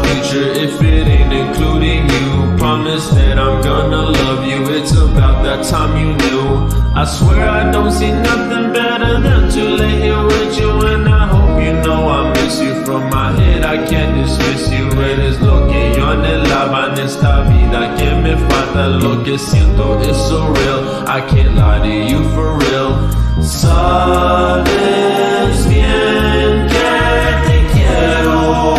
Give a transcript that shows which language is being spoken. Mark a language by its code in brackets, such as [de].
[en] If it ain't including you, promise that I'm gonna love you. It's about that time you knew. I swear I don't see nothing better than to lay here with you. And I hope you know I miss you. From my head I can't dismiss you. [es] Eres lo que yo anhelaba en esta vida. Que me falta lo que siento es [en] so real. I can't lie to you for real. [es] Sabes bien que te quiero.